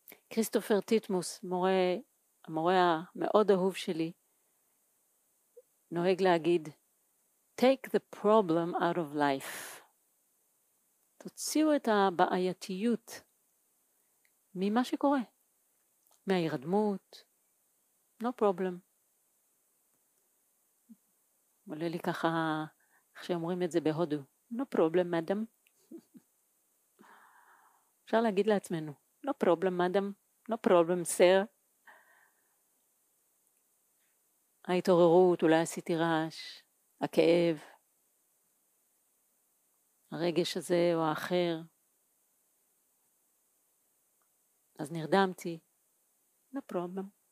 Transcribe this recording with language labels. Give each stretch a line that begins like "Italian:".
Hebrew: כריסטופר טיטמוס, המורה המאוד אהוב שלי, נוהג להגיד,
English: take the problem out of life.
Hebrew: תוציאו את הבעייתיות ממה שקורה. מההירדמות,
English: no problem.
Hebrew: עולה לי ככה, איך שאומרים את זה בהודו,
English: no problem, madam.
Hebrew: אפשר להגיד לעצמנו,
English: no problem, madam, no problem, sir.
Hebrew: ההתעוררות, אולי עשיתי רעש, הכאב, הרגש הזה או האחר. אז נרדמתי,
English: no problem.